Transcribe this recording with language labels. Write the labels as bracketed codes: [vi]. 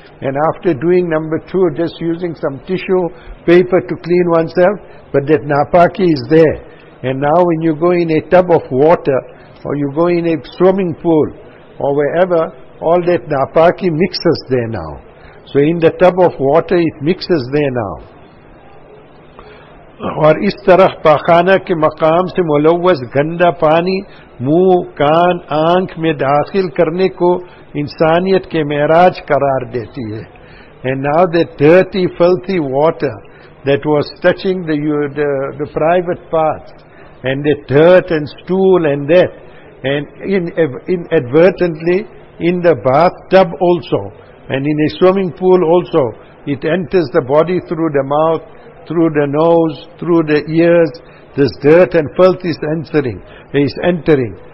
[en] And after doing number two, just using some tissue paper to clean oneself, but that napaki is there. And now when you go in a tub of water, or you go in a swimming pool, or wherever, all that napaki mixes there now. So in the tub of water, it mixes there now. [ur] اور اس طرح پاخانہ کے مقام سے ملوث گندا پانی منہ کان آنکھ میں داخل کرنے کو انسانیت کے معراج قرار دیتی ہے. [en] And now that dirty, filthy water that was touching the private parts, and the dirt and stool and that, and inadvertently in the bathtub also, and in a swimming pool also, it enters the body through the mouth, through the nose, through the ears, this dirt and filth is entering.